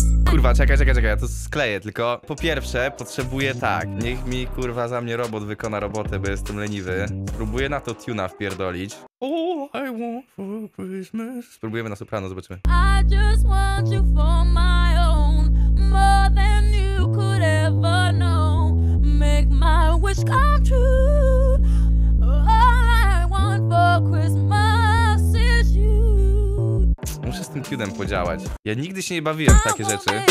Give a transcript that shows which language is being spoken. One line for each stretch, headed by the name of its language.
Polish: Kurwa, czekaj, ja to skleję, tylko po pierwsze potrzebuję tak. Niech mi kurwa za mnie robot wykona robotę, bo jestem leniwy. Spróbuję na to tuna wpierdolić.
English: All I want for Christmas.
Polish: Spróbujemy na soprano, zobaczymy.
English: I just want you for my own, more than you could ever know. Make my wish come true. All I want for Christmas is you.
Polish: Muszę z tym tunem podziałać. Ja nigdy się nie bawiłem w takie rzeczy.